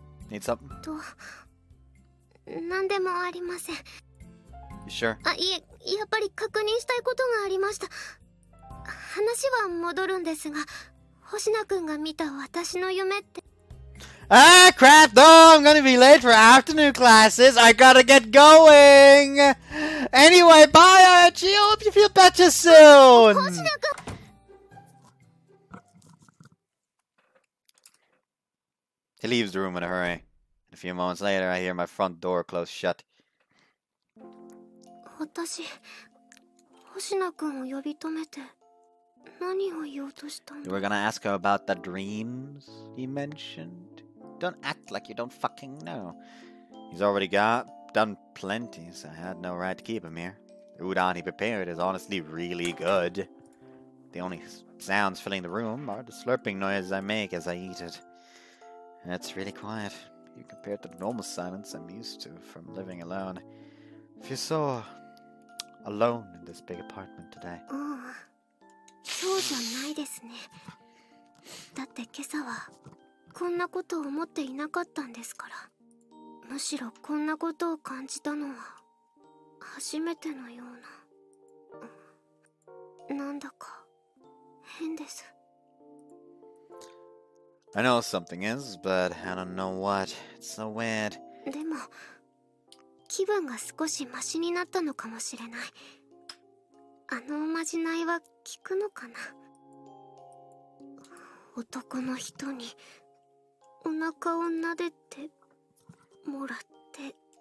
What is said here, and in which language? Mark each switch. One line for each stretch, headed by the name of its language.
English: Need something?
Japanese: なんでもありません。
English: You sure?
Japanese: いえ、やっぱり確認したいことがありました。話は戻るんですが、星名くんが見た私の夢って。
English: Ah, crap! No, I'm gonna be late for afternoon classes! I gotta get going! Anyway, bye, Archie! Hope you feel better soon! He leaves the room in a hurry. A few moments later, I hear my front door close shut.
Japanese: 私、星名くんを呼び止めて。何を言おうとしたの?
English: You were gonna ask her about the dreams he mentioned? Don't act like you don't fucking know. He's already done plenty, so I had no right to keep him here. The udon he prepared is honestly really good. The only sounds filling the room are the slurping noises I make as I eat it. It's really quiet, compared to the normal silence I'm used to from living alone. If you saw alone in this big apartment today.
Japanese: そうじゃないですね。だって今朝はこんなことを思っていなかったんですから。むしろこんなことを感じたのは初めてのような。なんだか変です。
English: I know something is, but I don't know what. It's so weird.
Japanese: でも気分が少しマシになったのかもしれない。あのおまじないは聞くのかな。男の人にお腹を撫でてもらって。